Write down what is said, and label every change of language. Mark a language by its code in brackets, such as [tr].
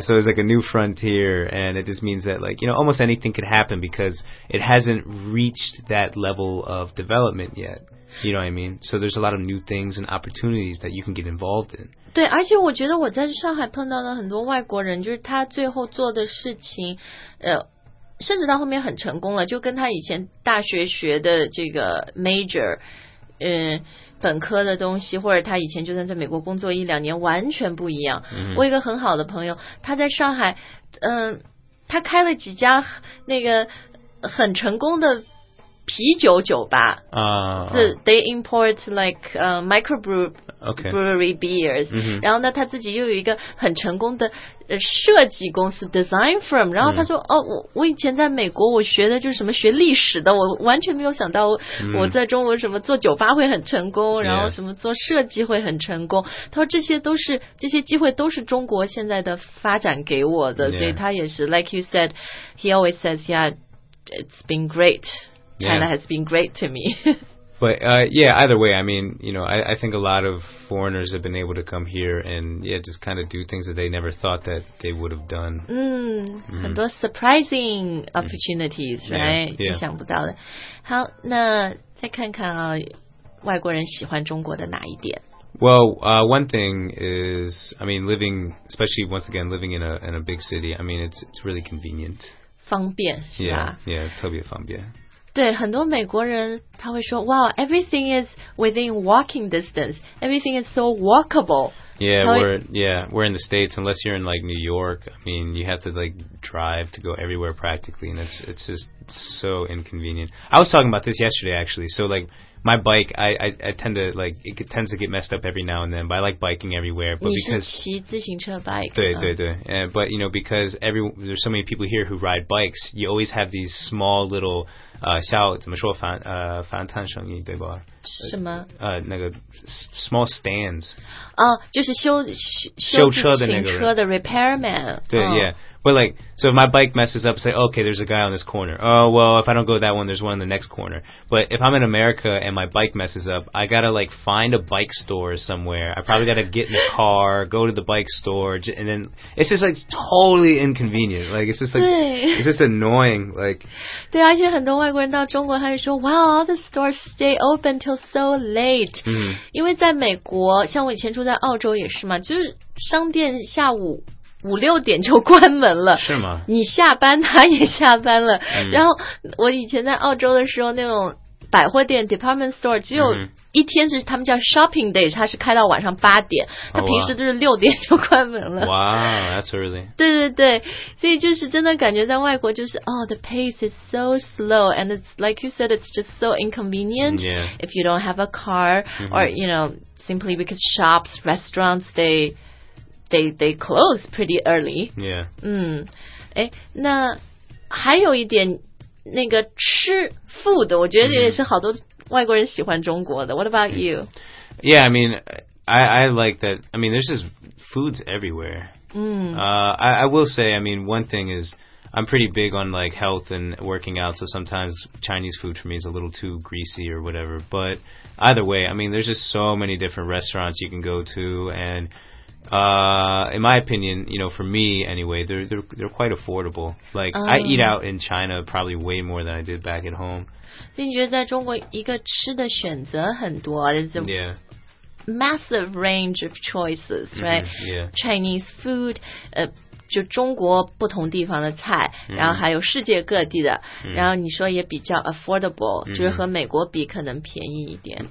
[en] So it's like a new frontier, and it just means that, like, you know, almost anything could happen because it hasn't reached that level of development yet. You know what I mean? So there's a lot of new things and opportunities that you can get involved in. [zh] 对，而且我觉得我在上海碰到了很多外国人，就是他最后做的事情，甚至到后面很成功了，就跟他以前大学学的这个 major, 本科的东西，或者他以前就算在美国工作一两年，完全不一样。我一个很好的朋友，他在上海，他开了几家那个很成功的啤酒酒吧， [en] they import like microbrewery beers. [zh] 然后呢，他自己又有一个很成功的设计公司 design firm. 然后他说，我以前在美国，我学的就是什么学历史的，我完全没有想到我在中国什么做酒吧会很成功，然后什么做设计会很成功。他说这些机会都是中国现在的发展给我的，所以他也是 [en] like you said, he always says, yeah, it's been great. China has been great to me. But, yeah, either way, I mean, you know, I think a lot of foreigners have been able to come here and, yeah, just kind of do things that they never thought that they would have done. [zh] 很多 [en] surprising opportunities, right? Yeah, [zh] 意想不到的。好，那再看看啊，外国人喜欢中国的哪一点？ [en] Well, one thing is, I mean, living, especially once again, living in a big city, I mean, it's really convenient. [zh] 方便，是吧？ [en] Yeah, [zh] 特别方便。对，很多美国人他会说 [en] Wow, everything is within walking distance. Everything is so walkable. Yeah, we're in the States. Unless you're in like New York, I mean, you have to like drive to go everywhere practically. And it's just so inconvenient. I was talking about this yesterday, actually. So like my bike, I tend to like, it tends to get messed up every now and then. But I like biking everywhere. But [zh] 你是骑自行车 bike. 对对对。 [en] But you know, because there's so many people here who ride bikes, you always have these small little... [zh] 小怎么说反弹声音对吧？什么？那个 small stands。哦，就是修车的那个人。修车的 repairman。对 [en] ，yeah， but like， so if my bike messes up， say， okay， there's a guy on this corner。 Oh， well， if I don't go that one， there's one in the next corner。 But if I'm in America and my bike messes up， I gotta like find a bike store somewhere。 I probably gotta get in the car， go to the bike store， and then it's just like totally inconvenient。 Like it's just like it's just annoying。 Like， [zh] 对，而且很多。外国人到中国他就说 [en] Wow, all the stores stay open till so late. [zh] 因为在美国像我以前住在澳洲也是嘛，就是商店下午五六点就关门了。是吗？你下班他也下班了、嗯、然后我以前在澳洲的时候那种百货店 department store 只有一天是他们叫 shopping day， 它是开到晚上八点，它平时都是六点就关门了。哇、 [en] wow, that's early。 [zh] 对对对，所以就是真的感觉在外国就是 [en] oh the pace is so slow and it's like you said it's just so inconvenient、 yeah. if you don't have a car、mm-hmm. or you know simply because shops restaurants they close pretty early yeah [zh] 嗯，诶，那还有一点那个吃 food 我觉得也是好多、mm-hmm. 外国人喜欢中国的。 [en] What about you? Yeah, I mean, I like that. I mean, there's just foods everywhere. I will say, I mean, one thing is I'm pretty big on like health and working out. So sometimes Chinese food for me is a little too greasy or whatever. But either way, I mean, there's just so many different restaurants you can go to. And in my opinion, you know, for me anyway, they're quite affordable. Like、I eat out in China probably way more than I did back at home. [zh] 所以你觉得在中国一个吃的选择很多 [en] It's a、 yeah. massive range of choices, right?、 Mm-hmm. Yeah. Chinese food, [zh] 就中国不同地方的菜、mm-hmm. 然后还有世界各地的、mm-hmm. 然后你说也比较 affordable、mm-hmm. 就是和美国比可能便宜一点